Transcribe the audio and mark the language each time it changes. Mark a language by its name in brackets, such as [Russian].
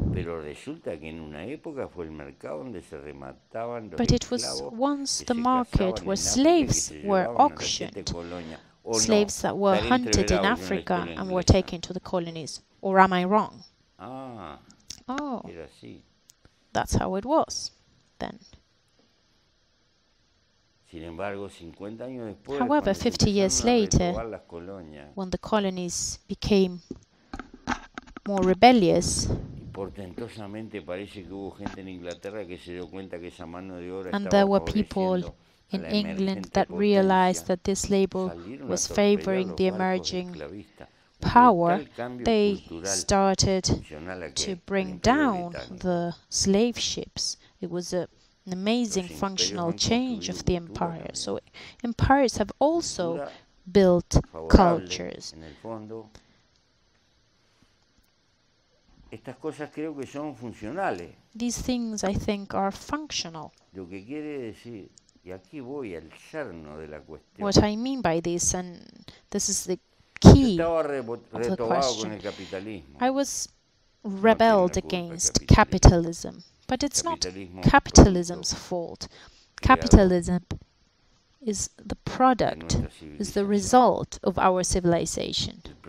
[Spanish] Pero resulta que en una época fue el mercado donde se remataban los [English] but it was once the market where slaves were auctioned, slaves that were hunted in Africa and were taken to the colonies. Or am I wrong? Ah, oh, [Spanish] era así. [English] That's how it was then. [Spanish] Sin embargo, 50 años después, [English] however, 50 years later, when the colonies became more rebellious, [Spanish] portentosamente parece que hubo gente en Inglaterra que se dio cuenta que esa mano de obra [English] and there were people in England that realized that this labor was favoring the emerging power, they started to bring down the slave ships. It was an amazing functional change of the empire. So empires have also built cultures. [Spanish] Estas cosas creo que son funcionales. [English] These things, I think, are functional. [Spanish] Lo que quiere decir, y aquí voy al cerno de la cuestión. [English] What I mean by this, and this is the key of the question. [Spanish] El capitalismo. [English] I was rebelled against capitalism. But it's not capitalism's fault. Capitalism is the product, is the result of our civilization.